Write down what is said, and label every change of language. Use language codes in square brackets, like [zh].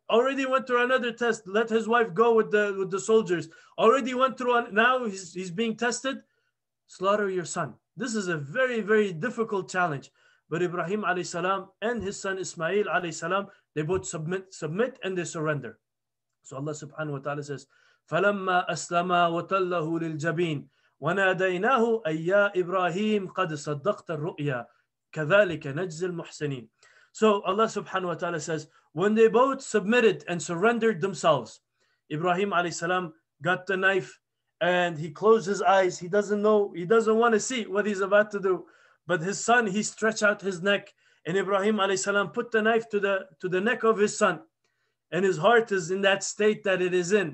[en] Already went through another test, let his wife go with the soldiers. Already went through, now he's being tested. Slaughter your son. This is a very, very difficult challenge. But Ibrahim alayhi salam and his son Ismail alayhi salam, they both submit and they surrender. [ar] So Allah subhanahu wa ta'ala says, فَلَمَّا أَسْلَمَا وَتَلَّهُ لِلْجَبِينَ وَنَادَيْنَاهُ أَيَّا إِبْرَاهِيمُ قَدْ صَدَّقْتَ الرُّؤْيَا كَذَلِكَ نَجْزِ الْمُحْسَنِينَ. [en] So Allah subhanahu wa ta'ala says, when they both submitted and surrendered themselves, Ibrahim alayhi salam got the knife and he closed his eyes. He doesn't know, he doesn't want to see what he's about to do. But his son, he stretched out his neck, and Ibrahim alayhi salam put the knife to the neck of his son, and his heart is in that state that it is in.